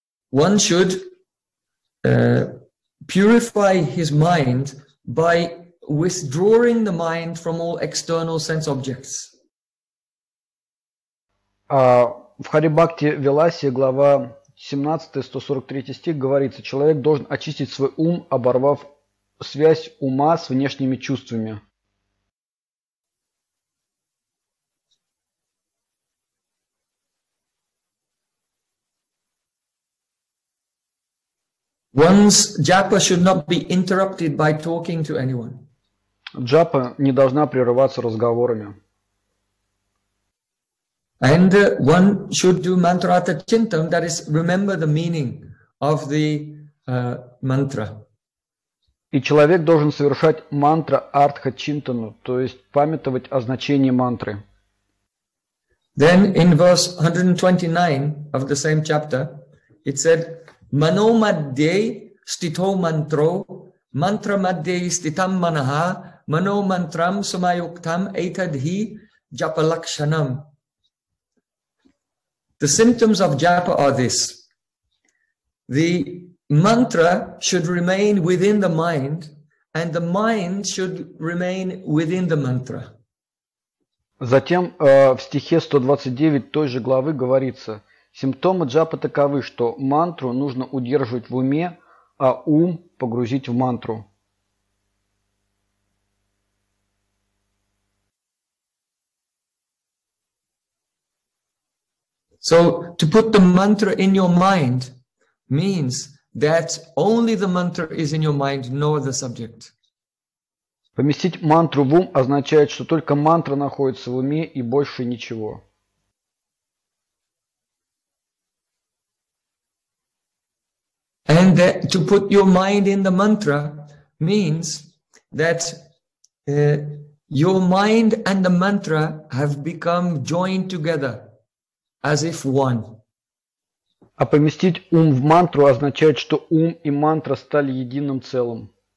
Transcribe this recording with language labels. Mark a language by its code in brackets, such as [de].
[en] One should purify his mind by withdrawing the mind from all external sense objects. [ru] В Харибхакти Виласе, глава 17, 143 стих, говорится, человек должен очистить свой ум, оборвав связь ума с внешними чувствами. [en] One's japa should not be interrupted by talking to anyone. [ru] Джапа не должна прерываться разговорами. [en] And one should do mantrata chintam, that is, remember the meaning of the mantra. [ru] И человек должен совершать мантра артха чинтану, то есть памятовать о значении мантры. [en] Then in verse 129 of the same chapter, it said, [sa] Mano madde stito mantro, mantra madde stitam manaha, mano mantram sumayuktam etadhi japalakshanam. [en] The symptoms of japa are this. The mantra should remain within the mind, and the mind should remain within the mantra. [ru] Затем в стихе 129 той же главы говорится, симптомы джапы таковы, что мантру нужно удерживать в уме, а ум погрузить в мантру. [en] So, to put the mantra in your mind means that only the mantra is in your mind, no other subject. [ru] Поместить мантру в ум означает, что только мантра находится в уме и больше ничего. [en] And that to put your mind in the mantra means that your mind and the mantra have become joined together as if one. [ru] А поместить ум в мантру означает, что ум и мантра стали единым целым.